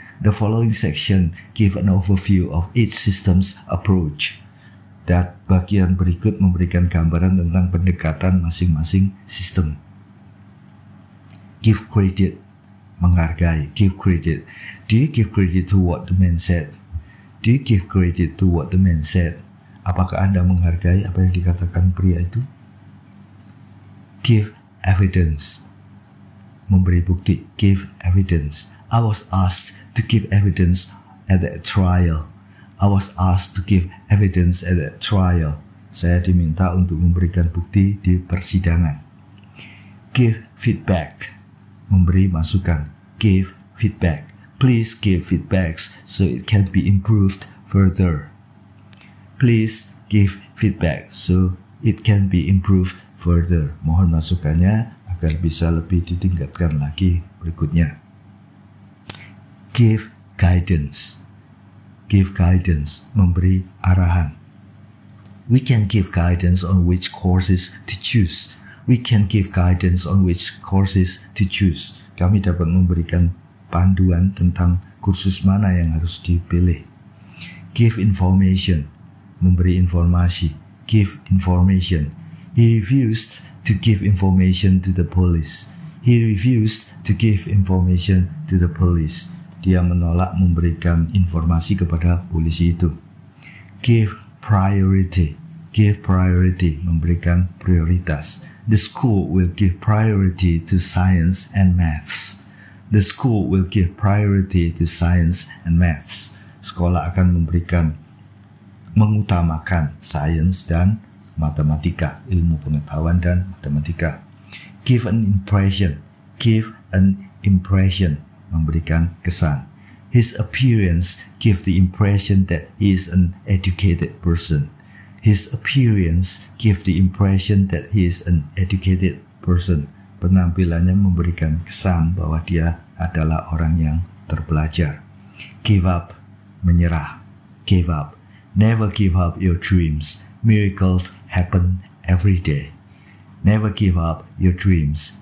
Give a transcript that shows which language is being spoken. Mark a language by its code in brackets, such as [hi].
[en] The following section give an overview of each system's approach. [id] Dan bagian berikut memberikan gambaran tentang pendekatan masing-masing sistem. [en] Give credit, [id] menghargai. [en] Give credit. Do you give credit to what the man said? Do you give credit to what the man said? [id] Apakah Anda menghargai apa yang dikatakan pria itu? [en] Give evidence. [id] Memberi bukti. [en] Give evidence. I was asked to give evidence at that trial. I was asked to give evidence at that trial. [id] Saya diminta untuk memberikan bukti di persidangan. [en] Give feedback. [id] Memberi masukan. [en] Give feedback. Please give feedbacks so it can be improved further. Please give feedback so it can be improved further. [id] Mohon masukannya agar bisa lebih ditingkatkan lagi berikutnya. [en] Give guidance. Give guidance. [id] Memberi arahan. [en] We can give guidance on which courses to choose. We can give guidance on which courses to choose. [id] Kami dapat memberikan panduan tentang kursus mana yang harus dipilih. [en] Give information. [id] Memberi informasi. [en] Give information. He refused to give information to the police. He refused to give information to the police. [id] Dia menolak memberikan informasi kepada polisi itu. [en] Give priority. Give priority. [id] Memberikan prioritas. [en] The school will give priority to science and maths. The school will give priority to science and maths. [id] Sekolah akan memberikan, mengutamakan science dan matematika, ilmu pengetahuan dan matematika. [en] Give an impression. Give an impression. [id] Memberikan kesan. [en] His appearance gives the impression that he is an educated person. His appearance gives the impression that he is an educated person. [id] Penampilannya memberikan kesan bahwa dia adalah orang yang terpelajar. [en] Give up. [id] Menyerah. [en] Give up. Never give up your dreams. Miracles happen every day. Never give up your dreams.